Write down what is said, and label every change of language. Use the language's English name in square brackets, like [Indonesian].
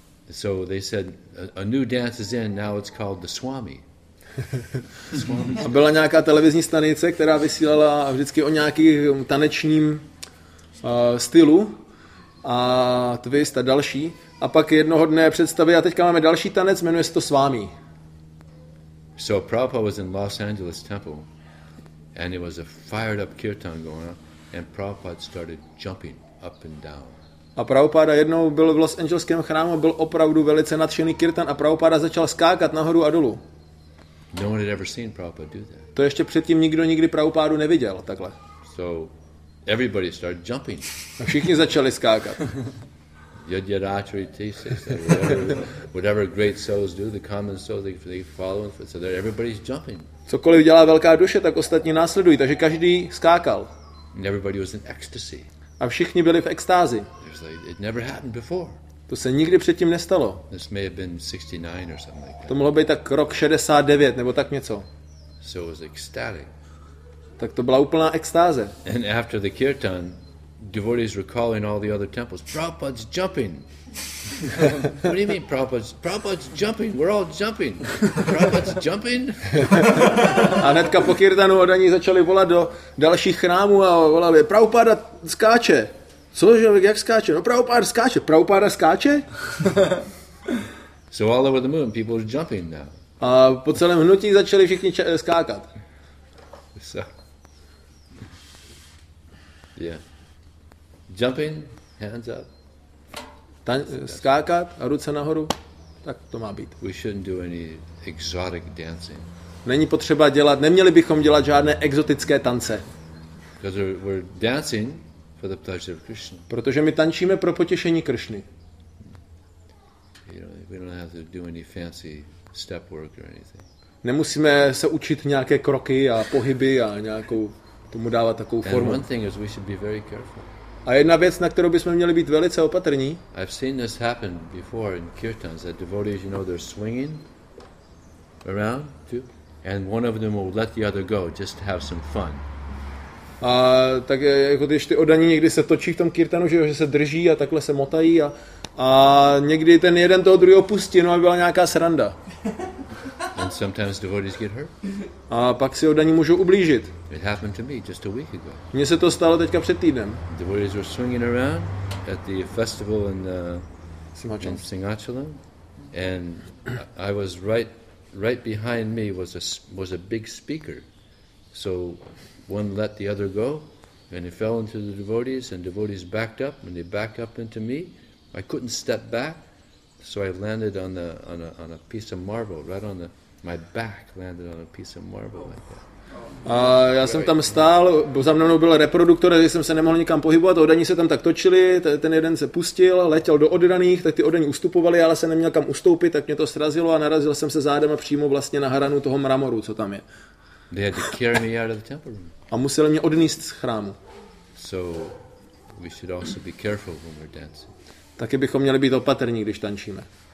[English] So they said a new dance is in, now it's called the Swami. [Czech] A byla nějaká televizní stanice, která vysílala vždycky o nějakým tanečním stylu a twist a další. A pak jednoho dne představí a teďka máme další tanec, jmenuje se to Swami. [English] So Prabhupada was in Los Angeles temple. And it was a fired up kirtan going on, and Prabhupada started jumping up and down. [Czech] A Prabhupada jednou byl v Los Angeleském chrámu, byl opravdu velice nadšený kirtan a Prabhupada začal skákat nahoru a dolů. [English] No one had ever seen Prabhupada do that. [Czech] To ještě předtím nikdo nikdy Prabhupádu neviděl takhle. [English] So everybody started jumping. [Czech] A všichni začali skákat. [English] Yajnaratri thesis, whatever great souls do, the common soul, they follow, so that everybody's jumping. [Czech] Cokoliv dělá velká duše, tak ostatní následují, takže každý skákal. [English] And everybody was in ecstasy. [Czech] A všichni byli v extázi. [English] It never happened before. [Czech] To se nikdy předtím nestalo. [English] This may have been 69 or something like that. [Czech] To mohlo být tak rok 69 nebo tak něco. [English] So it was ecstatic. [Czech] Tak to byla úplná extáze. [English] And after the kirtan, devotees were calling all the other temples. Prabhupada's jumping. What do you mean, Prabhupada's? Prabhupada's jumping. We're all jumping. Prabhupada's jumping. [Czech] A hnedka po kirtanu od něj začali volat do dalších chrámů a volali: Prabhupada skáče. Cože, jak skáče? No, Prabhupada skáče. Prabhupada skáče? [English] So all over the moon, people are jumping now. [Czech] A po celém hnutí začali všichni skákat. [English] So. Yeah. Jumping, hands up. [Czech] Skákat a ruce nahoru, tak to má být. [English] We shouldn't do any exotic dancing. [Czech] Není potřeba dělat, neměli bychom dělat žádné exotické tance. [English] Because we're dancing for the pleasure of Krishna. [Czech] Protože my tančíme pro potěšení Krišny. [English] You know, we don't have to do any fancy step work or anything. [Czech] Nemusíme se učit nějaké kroky a pohyby a nějakou tomu dávat takovou formu. [English] And one thing is we should be very careful. [Czech] A jedna věc, na kterou bychom měli být velice opatrní. [English] I've seen this happen before in kirtans, that devotees, you know, they're swinging around too, and one of them will let the other go just to have some fun. [Czech] A tak jako když ty oddaní někdy se točí v tom kirtanu, že se drží a takhle se motají a někdy ten jeden toho druhého pustí, no, aby byla nějaká sranda. [English] And sometimes devotees get hurt. [Czech] A pak si oddaní můžou ublížit. [English] It happened to me just a week ago. [Czech] Mně se to stalo teďka před týdnem. [English] Devotees were swinging around at the festival in Singhachalam, and I was right behind me was a big speaker. So one let the other go, and it fell into the devotees, and devotees backed up, and they backed up into me. I couldn't step back. So I landed on a piece of marble, right on my back landed on a piece of marble like that. [Czech] A já jsem tam stál, bo za mnou byl reproduktor, takže jsem se nemohl nikam pohybovat, oddaní se tam tak točili, ten jeden se pustil, letěl do oddaných, tak ty oddaní ustupovali, ale jsem neměl kam ustoupit, tak mě to srazilo a narazil jsem se zádem a přímo vlastně na hranu toho mramoru, co tam je. [English] They had to carry me out of the temple room. [Czech] A museli mě odníst z chrámu. [English] So we should also be careful when we're dancing. [Czech] Taky bychom měli být opatrní, když tančíme.